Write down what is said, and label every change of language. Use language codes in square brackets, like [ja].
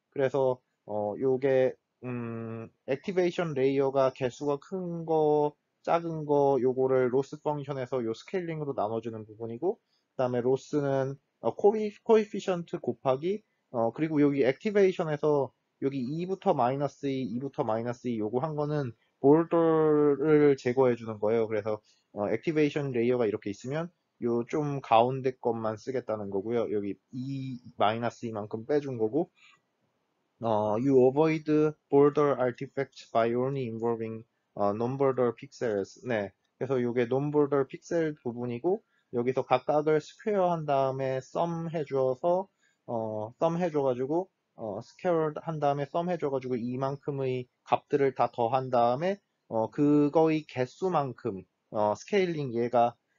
[ko] 그래서 요게 액티베이션 레이어가 개수가 큰 거, 작은 거 요거를 로스 펑션에서 요 스케일링으로 나눠주는 부분이고, 그다음에 로스는 코이피션트 곱하기 그리고 여기 액티베이션에서 여기 2부터 마이너스 2, 2부터 마이너스 2 요거 한 거는 볼더를 제거해 주는 거예요. 그래서 액티베이션 레이어가 이렇게 있으면 요좀 가운데 것만 쓰겠다는 거고요. 여기 2 마이너스 2만큼 빼준 거고. [en] You avoid border artifacts by only involving non-border pixels. [ko] 네. 그래서 요게 non-border pixel 부분이고 여기서 각각을 스퀘어 한 다음에 sum 해줘서 sum 해줘가지고 scaled 한 다음에 sum 해줘가지고 이만큼의 값들을 다 더한 다음에 그거의 개수만큼 스케일링 얘가